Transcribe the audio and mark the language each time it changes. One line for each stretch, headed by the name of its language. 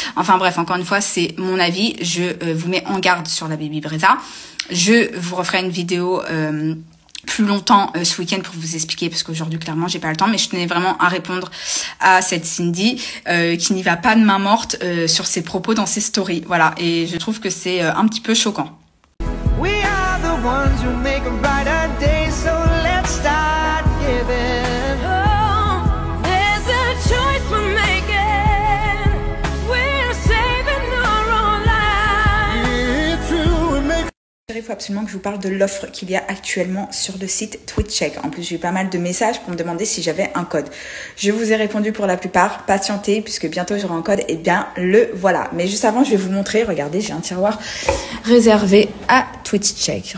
French: Enfin bref, encore une fois, c'est mon avis. Je vous mets en garde sur la Baby Breza. Je vous referai une vidéo... plus longtemps ce week-end pour vous expliquer parce qu'aujourd'hui clairement j'ai pas le temps, mais je tenais vraiment à répondre à cette Cindy qui n'y va pas de main morte sur ses propos dans ses stories, voilà, et je trouve que c'est un petit peu choquant.
English: We are the ones who make a brighter day, so let's start giving. Oh, there's a choice we're making. We're saving our own lives.
French: Il faut absolument que je vous parle de l'offre qu'il y a actuellement sur le site TweetCheck. En plus, j'ai eu pas mal de messages pour me demander si j'avais un code. Je vous ai répondu pour la plupart. Patientez, puisque bientôt j'aurai un code. Et bien, le voilà. Mais juste avant, je vais vous montrer. Regardez, j'ai un tiroir réservé à TweetCheck.